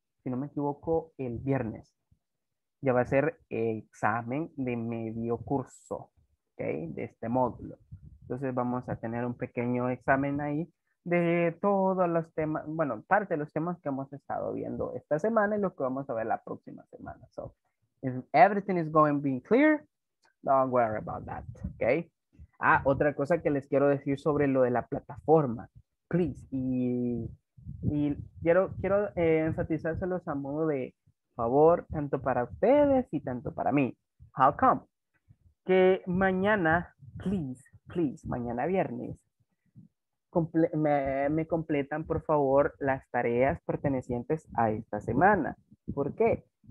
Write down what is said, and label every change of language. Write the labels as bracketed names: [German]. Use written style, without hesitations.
[Spanish] Si no me equivoco, el viernes. Ya va a ser examen de medio curso, ¿okay? De este módulo. Entonces vamos a tener un pequeño examen ahí de todos los temas, bueno, parte de los temas que hemos estado viendo esta semana y los que vamos a ver la próxima semana. [English] So, if everything is going being clear, don't worry about that, okay? [Spanish] Ah, otra cosa que les quiero decir sobre lo de la plataforma, please. Y quiero enfatizárselos a modo de favor, tanto para ustedes y tanto para mí. [English] How come? [Spanish] Que mañana, please, mañana viernes, me completan, por favor, las tareas pertenecientes a esta semana. ¿Por qué?